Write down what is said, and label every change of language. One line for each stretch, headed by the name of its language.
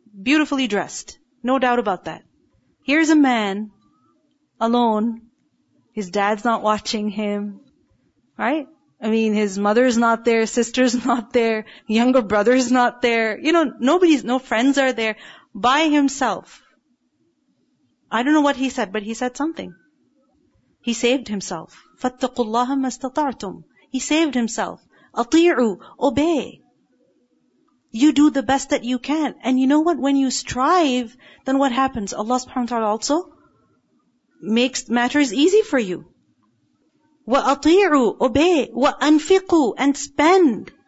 English: Beautifully dressed, no doubt about that. Here's a man, alone, his dad's not watching him, right? I mean, his mother's not there, sister's not there, younger brother's not there, you know, no friends are there, by himself. I don't know what he said, but he said something. He saved himself.
Arabic: فَاتَّقُوا اللَّهَ مَا اسْتَطَعْتُمْ
English: He saved himself. أَطِيعُوا Obey. You do the best that you can. And you know what? When you strive, then what happens? Allah subhanahu wa ta'ala also makes matters easy for you. وَأَطِيعُوا Obey. وَأَنْفِقُوا And spend.